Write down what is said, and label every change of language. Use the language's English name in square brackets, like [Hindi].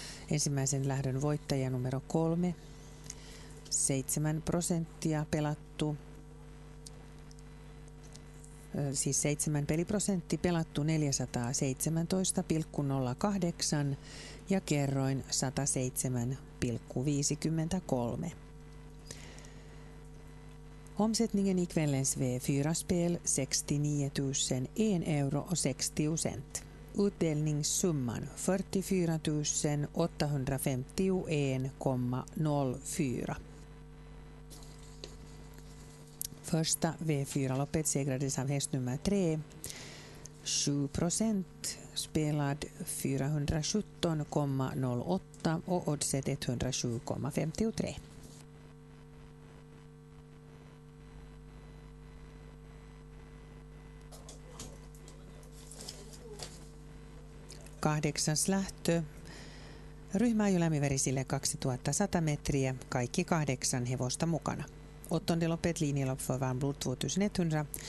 [Finnish] Ensimmäisen lähdön voittaja numero 3. 7% pelattu, siis 7 peliprosentti pelattu 417.08 ja kerroin 107.53. [Swedish] Omsättningen i kvällens V4-spel 69 001 €60. Utdelningssumman 44 851,04. Första V4-loppet segrades av häst nummer 3. 7% spelad 417,08 och oddset 107,53. [Finnish] Kahdeksas lähtö. Ryhmä ajo lämmiverisille 2100 metriä, kaikki 8 hevosta mukana. [Swedish] Åttonde loppet linjelopp för varm blod 2100.